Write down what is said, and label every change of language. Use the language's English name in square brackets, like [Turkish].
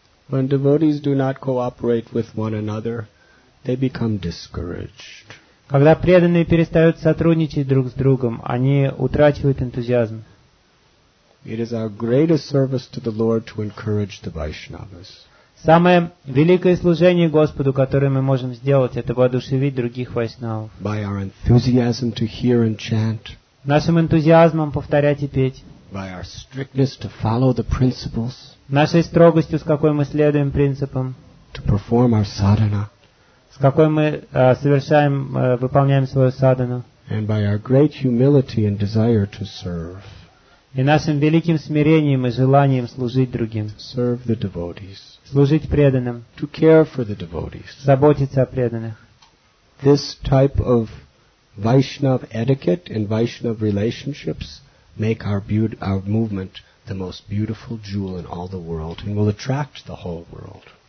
[English] When devotees do not cooperate with one another, they become discouraged. [Russian] Когда преданные перестают сотрудничать друг с другом, они утрачивают энтузиазм. [English] It is our greatest service to the Lord to encourage the Vaishnavas. [Russian] Самое великое служение Господу, которое мы можем сделать, это воодушевить других вайшнавов. [English] By our enthusiasm to hear and chant. [Russian] Нашим энтузиазмом повторять и петь. [English] By our strictness to follow the principles. [Russian] Нашей строгостью, с какой мы следуем принципам. [English] To perform our sadhana. [Russian] С какой мы совершаем, выполняем свою садхану. [English] And by our great humility and desire to serve. [Russian] И нашим великим смирением и желанием служить другим. [English] Serve the devotees. [Russian] Служить преданным. [English] To care for the devotees. [Russian] Заботиться о преданных. [English] This type of Vaishnav etiquette and Vaishnav relationships make our movement the most beautiful jewel in all the world and will attract the whole world.